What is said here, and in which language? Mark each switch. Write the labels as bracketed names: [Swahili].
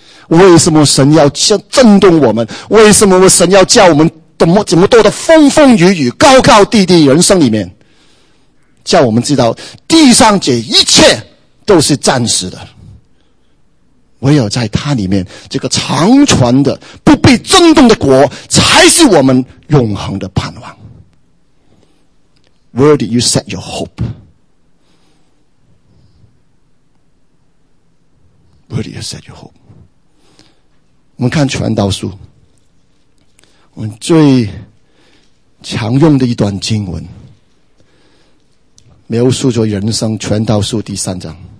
[Chinese] 为什么神要震动我们，为什么神要叫我们怎么多的风风雨雨高高低低，人生里面叫我们知道地上这一切都是暂时的，唯有在他里面这个长存的不被震动的国才是我们永恒的盼望。 [English] Where did you set your hope? Where did you set your hope? [Chinese] 我们看传道书，我们最常用的一段经文描述着人生，传道书第三章，